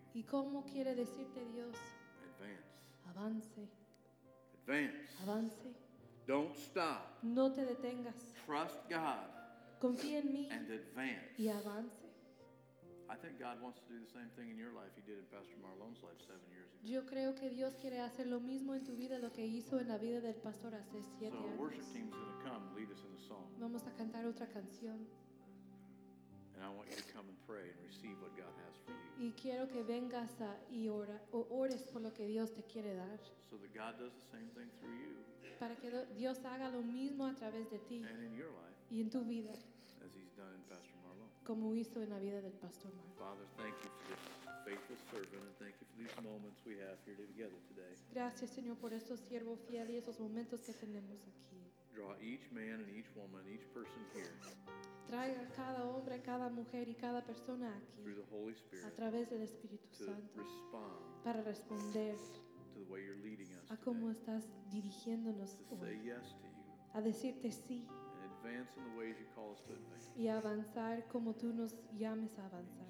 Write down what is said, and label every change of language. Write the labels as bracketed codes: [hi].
[es] ¿Y cómo quiere decirte Dios? [en] Advance. [es] Avance. [en] Advance. [es] Avance. [en] Don't stop. [es] No te detengas. [en] Trust God. [es] Confía en mí. [en] And advance. [es] Y avance. [en] I think God wants to do the same thing in your life he did in Pastor Marlon's life 7 years ago. [es] Yo creo que Dios quiere hacer lo mismo en tu vida lo que hizo en la vida del pastor hace 7 años. [en] So worship team's going to come lead us in a song. [es] Vamos a cantar otra canción. [en] And I want you to come and pray and receive what God has for you. [es] Y quiero que vengas y ores por lo que Dios te quiere dar. [en] So that God does the same thing through you. [es] Para que Dios haga lo mismo a través de ti. [en] And in your life. [es] Y en tu vida. [en] As he's done in Pastor Marlon. [es] Como hizo en la vida del Pastor Mark. [en] Father, thank you for this faithful servant and thank you for these moments we have here together today. [es] Gracias, Señor, por estos siervos fieles y esos momentos que tenemos aquí. [en] Draw each man and each woman, each person here. [es] Traiga cada hombre, cada mujer y cada persona aquí. [en] Through the Holy Spirit. [es] A través del Espíritu Santo. [en] To respond. [es] Para responder. [en] To the way you're leading us. [es] A cómo estás dirigiéndonos hoy. [en] To say yes to you. [es] A decirte sí. [en] Advance in the ways you call us to advance. [es] Y avanzar como tú nos llames a avanzar.